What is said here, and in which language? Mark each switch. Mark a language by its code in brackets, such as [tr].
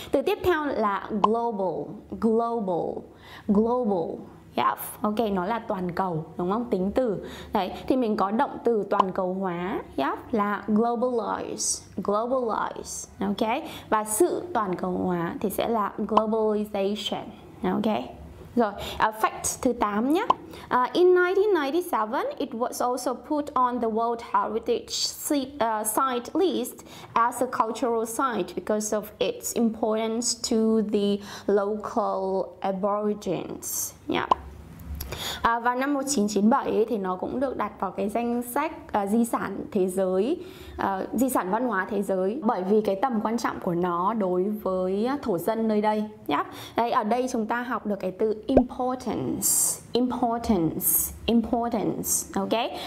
[vi] Từ tiếp theo là global, global, global. Yep. Okay, nó là toàn cầu, đúng không? Tính từ. Đấy, thì mình có động từ toàn cầu hóa, yep, là globalize, globalize. Okay? Và sự toàn cầu hóa thì sẽ là globalization. Okay? Rồi, fact thứ 8 nhé. [en] In 1997, it was also put on the World Heritage Site list as a cultural site because of its importance to the local aborigines. Yep. [vi] Và năm 1997 thì nó cũng được đặt vào cái danh sách di sản thế giới, di sản văn hóa thế giới bởi vì cái tầm quan trọng của nó đối với thổ dân nơi đây. Yep. Đấy, ở đây chúng ta học được cái từ importance, importance, importance. Okay?